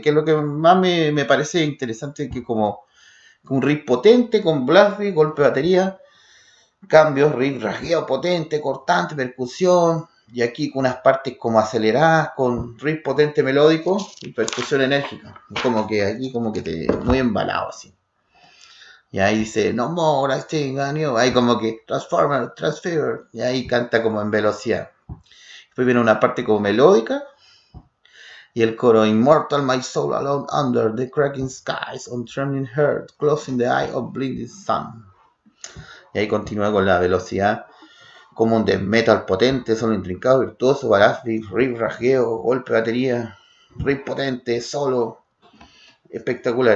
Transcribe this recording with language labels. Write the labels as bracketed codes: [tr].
[es] Que es lo que más me parece interesante, que como un riff potente, con blast beat, golpe de batería. Cambios, riff rasgueo, potente, cortante, percusión. Y aquí con unas partes como aceleradas, con riff potente melódico y percusión enérgica. Como que aquí como que te muy embalado así. Y ahí dice, [en] no more, I think I knew. [es] Ahí como que Transformer, Transfigure. Y ahí canta como en velocidad. Después viene una parte como melódica. Y el coro, [en] Immortal, my soul alone under the cracking skies, on trembling heart, closing the eye of blinding sun. [es] Y ahí continúa con la velocidad. Como un death metal potente, solo intrincado, virtuoso, blast beat, riff rasgueo, golpe de batería, riff potente, solo. Espectacular.